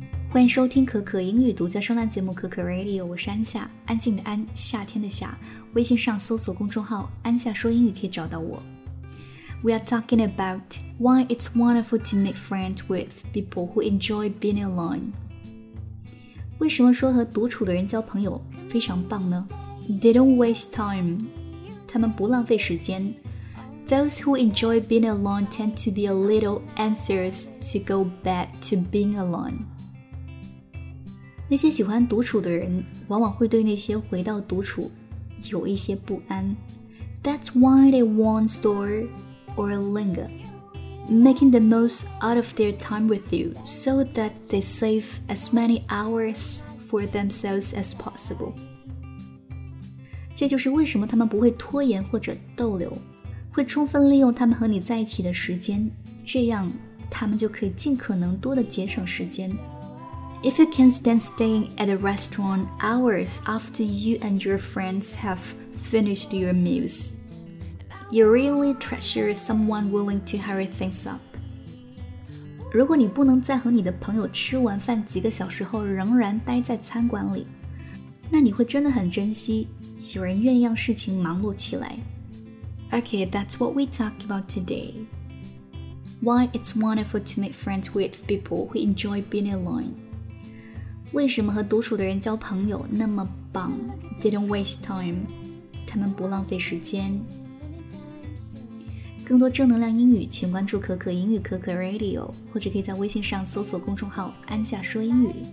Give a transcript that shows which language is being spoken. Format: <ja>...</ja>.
<zh>欢迎收听可可英语独家声浪节目可可 Radio， 我是安夏，安静的安，夏天的夏。微信上搜索公众号安夏说英语可以找到我。</zh> <en>We are talking about why it's wonderful to make friends with people who enjoy being alone.</en> <zh>为什么说和独处的人交朋友非常棒呢？</zh> <en>They don't waste time.</en> <zh>他们不浪费时间。</zh> <en>Those who enjoy being alone tend to be a little anxious to go back to being alone.</en> <zh>那些喜欢独处的人往往会对那些回到独处有一些不安。</zh> <en>That's why they want store or linger, making the most out of their time with you so that they save as many hours for themselves as possible.</en> <zh>这就是为什么他们不会拖延或者逗留。会充分利用他们和你在一起的时间，这样他们就可以尽可能多的节省时间。</zh> <en>If you can stand staying at a restaurant hours after you and your friends have finished your meals, you really treasure someone willing to hurry things up.</en> <zh>如果你不能再和你的朋友吃完饭几个小时后仍然待在餐馆里，那你会真的很珍惜有人愿意让事情忙碌起来。</zh> <en>Okay, that's what we talk about today. Why it's wonderful to make friends with people who enjoy being alone.</en> <zh>为什么和独处的人交朋友那么棒？</zh> <en>They don't waste time.</en> <zh>他们不浪费时间。更多正能量英语，请关注可可英语可可 Radio， 或者可以在微信上搜索公众号安夏说英语。</zh>